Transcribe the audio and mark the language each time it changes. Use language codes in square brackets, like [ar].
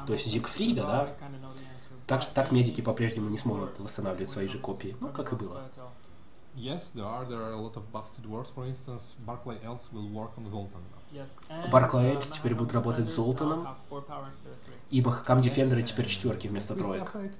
[ru] То есть Зигфрида, да? Так, так медики по-прежнему не смогут восстанавливать свои же копии. Ну, как и было. [en] Yes, there are a lot of busted words. For instance, Barclay Else will work on Zoltan. [ru] Barclay Else теперь будет работать с Золтаном. И Бахкам Дефендеры теперь четверки вместо троек.